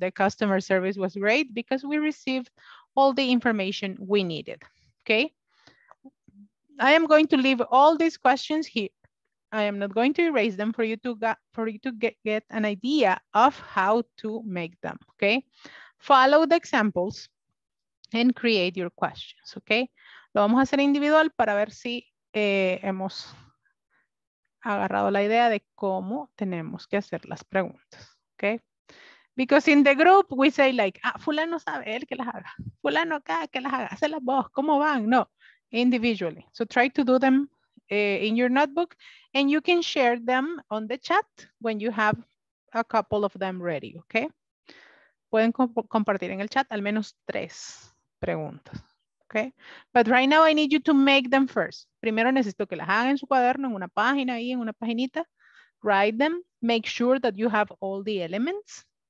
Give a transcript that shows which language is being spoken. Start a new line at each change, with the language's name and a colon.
English: The customer service was great because we received all the information we needed, okay? I am going to leave all these questions here. I am not going to erase them for you to get an idea of how to make them, okay? Follow the examples and create your questions, okay?
Spanish: Lo vamos a hacer individual para ver si hemos agarrado la idea de cómo tenemos que hacer las preguntas.
English: Okay. Because in the group we say like, ah,
Spanish: fulano sabe, él que las haga. Fulano acá, que las haga. Hacelas vos, ¿cómo van? No,
English: individually. So try to do them in your notebook and you can share them on the chat when you have a couple of them ready, okay?
Spanish: Pueden compartir en el chat al menos tres preguntas, okay?
English: But right now I need you to make them first.
Spanish: Primero necesito que las hagan en su cuaderno, en una página ahí, en una paginita.
English: Write them, make sure that you have all the elements.